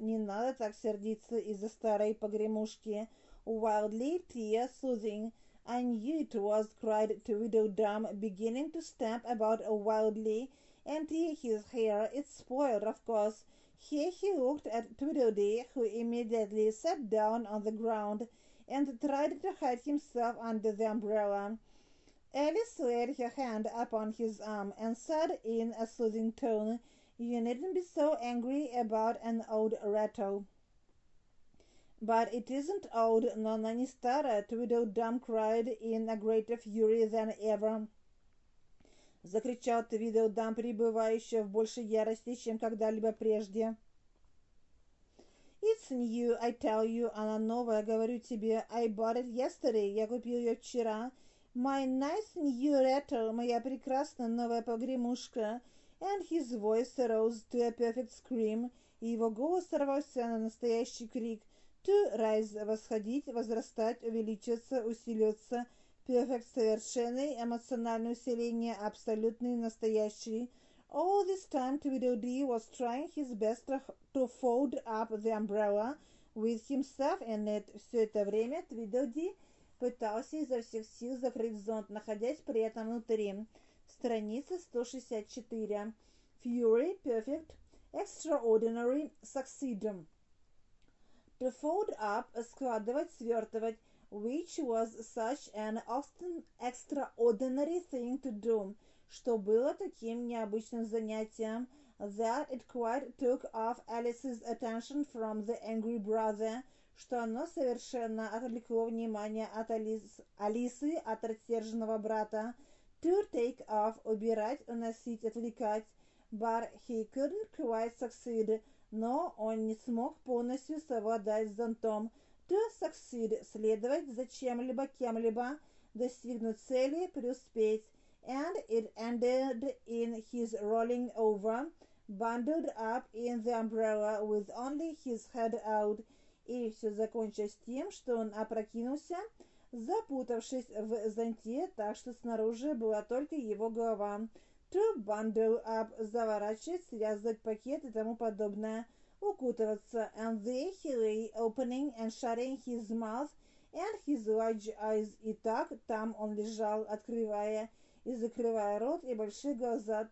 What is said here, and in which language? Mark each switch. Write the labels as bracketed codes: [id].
[ru] Не надо так сердиться из-за старой погремушки». [en] Wildly, tear soothing. «I knew it was», cried Tweedledum, beginning to stamp about wildly and tear his hair. It's spoiled, of course. Here he looked at Tweedledee, who immediately sat down on the ground and tried to hide himself under the umbrella. Alice laid her hand upon his arm and said in a soothing tone, You needn't be so angry about an old rattle. But it isn't old, [ru] но она не старая, [en] Tweedledum cried in a greater fury than ever. [ru] Закричал Tweedledum, пребывающий в большей ярости, чем когда-либо прежде. [en] It's new, I tell you, [ru] она новая, говорю тебе. [en] I bought it yesterday, [ru] я купил ее вчера. [en] My nice new rattle, [ru] моя прекрасная новая погремушка. [en] And his voice rose to a perfect scream. [ru] И его голос сорвался на настоящий крик. [en] To rise, [ru] восходить, возрастать, увеличиться, усиливаться. Perfect, совершенный, эмоциональное усиление, абсолютный, настоящий. [en] All this time Tweedledee was trying his best to fold up the umbrella with himself in it. [ru] Все это время Tweedledee пытался изо всех сил закрыть зонт, находясь при этом внутри. Страница 164. [en] Fury, perfect, extraordinary, succeed. To fold up, [ru] складывать, свертывать, [en] which was such an often extraordinary thing to do, [ru] что было таким необычным занятием, [en] that it quite took off Alice's attention from the angry brother, [ru] что оно совершенно отвлекло внимание от Алисы, от рассерженного брата. [en] To take off, [ru] убирать, уносить, отвлекать. [en] But he couldn't quite succeed. [ru] Но он не смог полностью совладать с зонтом. [en] To succeed, [ru] следовать за чем-либо, кем-либо, достигнуть цели, преуспеть. [en] And it ended in his rolling over, bundled up in the umbrella with only his head out. [ru] И все закончилось тем, что он опрокинулся, запутавшись в зонте, так что снаружи была только его голова. [en] To bundle up, [ru] заворачивать, связывать пакет и тому подобное, укутываться. [en] And there he lay, opening and shutting his mouth and his large eyes. [ru] И так там он лежал, открывая и закрывая рот и большие глаза.